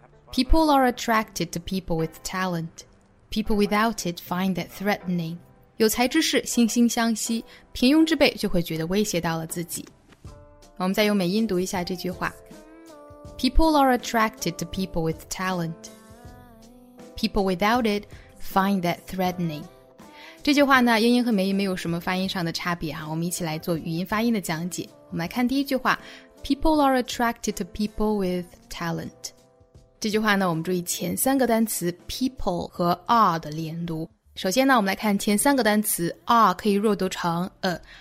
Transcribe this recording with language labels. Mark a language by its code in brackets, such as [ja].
[en] People are attracted to people with talent. People without it find that threatening. [zh] 有才之士惺惺相惜，平庸之辈就会觉得威胁到了自己。我们再用美音读一下这句话。 [en] People are attracted to people with talent. People without it find that threatening. [zh] 这句话呢，英音和美音没有什么发音上的差别啊，我们一起来做语音发音的讲解。我们来看第一句话。 [en] People are attracted to people with talent. [zh] 这句话呢，我们注意前三个单词 people 和 are 的连读。首先呢，我们来看前三个单词 are 可以弱读成 a.